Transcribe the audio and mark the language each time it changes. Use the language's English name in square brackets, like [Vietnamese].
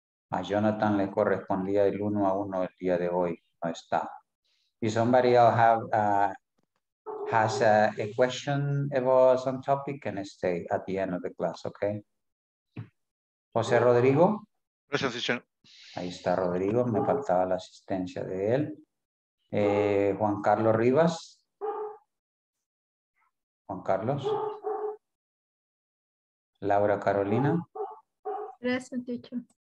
[Spanish] A Jonathan le correspondía el 1 a 1 el día de hoy. No está. [English] Is somebody else has a question about some topic and stay at the end of the class, okay? [Spanish] José Rodrigo. Gracias, teacher. Ahí está Rodrigo, me faltaba la asistencia de él. Juan Carlos Rivas. Juan Carlos. Laura Carolina. Gracias, teacher.